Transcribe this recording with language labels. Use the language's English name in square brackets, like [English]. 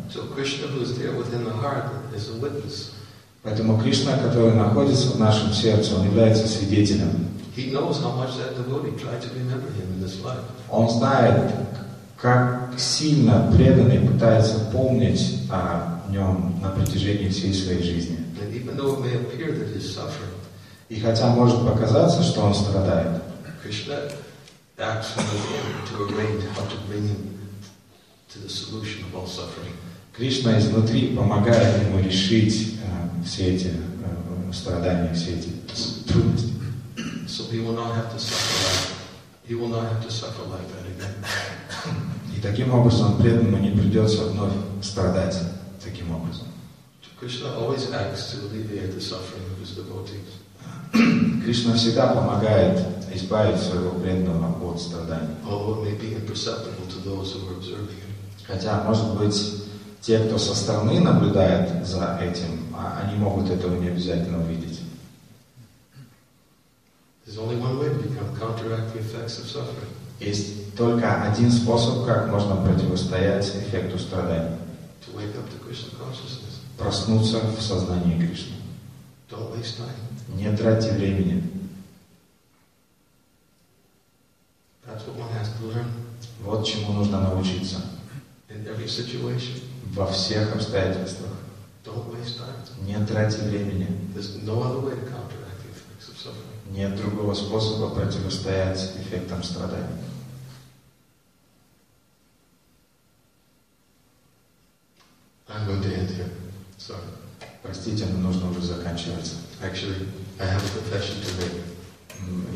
[English] So Krishna, who is there within the heart, is a witness. [Russian] Поэтому Кришна, который находится в нашем сердце, он является свидетелем. [English] He knows how much that devotee tried to remember him in this life. [Russian] Он знает, как сильно преданный пытается помнить о нем на протяжении всей своей жизни. [English] And even though it may appear that he's suffering, [Russian] и хотя может показаться, что он страдает, [English] Krishna acts from within to arrange how to bring him to the solution of all suffering. [Russian] Кришна изнутри помогает ему решить все эти страдания, все эти трудности. [English] So he will not have to suffer life. He will not have to suffer like that again. [Russian] И таким образом преданному не придется вновь страдать таким образом. [English] Krishna always acts to alleviate the suffering of his devotees. [Russian] Кришна всегда помогает избавить своего преданного от страданий. [English] Although it may be imperceptible to those who are observing him. [Russian] Хотя, может быть, те, кто со стороны наблюдает за этим, они могут этого не обязательно увидеть. [English] There's only one way to become counteract the effects of suffering. [Russian] Есть только один способ, как можно противостоять эффекту страданий. [English] To wake up to Krishna consciousness. [Russian] Проснуться в сознании Кришны. [English] Don't waste time. [Russian] Не тратьте времени. [English] That's what one has to learn. [Russian] Вот чему нужно научиться. [English] In every situation. [Russian] Во всех обстоятельствах. [English] Don't waste time. [Russian] Не тратьте времени. [English] There's no other way to counteract the effects of suffering. [Russian] Нет другого способа противостоять эффектам страданий. [English] I'm going to end here. Sorry. [Russian] Простите, но нужно уже заканчиваться. [English] Actually, I have a confession to make.